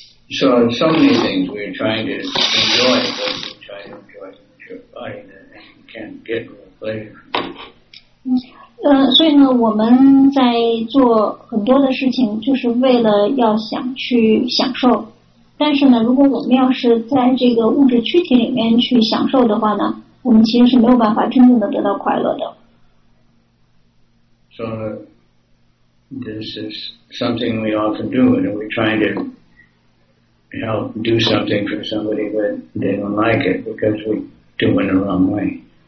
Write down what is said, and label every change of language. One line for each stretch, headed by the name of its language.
English: So so many things we're trying to enjoy, but we're trying to enjoy your body that can't get the pleasure.
Chinese: 所以呢，我们在做很多的事情，就是为了要想去享受。但是呢，如果我们要是在这个物质躯体里面去享受的话呢，我们其实是没有办法真正的得到快乐的。
English: So this is something we often do, and we're trying to help do something for somebody, but they don't like it because we do it the wrong way.